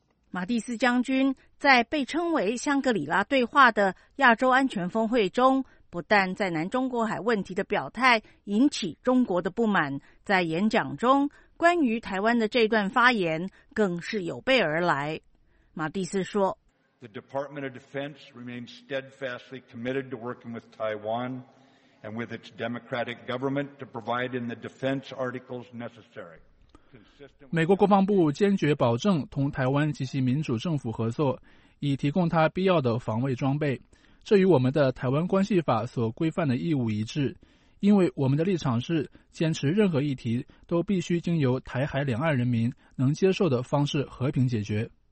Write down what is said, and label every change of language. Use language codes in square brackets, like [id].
[zh] 马蒂斯将军在被称为香格里拉对话的亚洲安全峰会中，不但在南中国海问题的表态引起中国的不满，在演讲中关于台湾的这段发言更是有备而来。马蒂斯说， [en] The Department of Defense remains steadfastly committed to working with Taiwan and with its democratic government to provide in the defense articles necessary。 [zh] 美国国防部坚决保证同台湾及其民主政府合作，以提供他必要的防卫装备，这与我们的台湾关系法所规范的义务一致，因为我们的立场是坚持任何议题都必须经由台海两岸人民能接受的方式和平解决。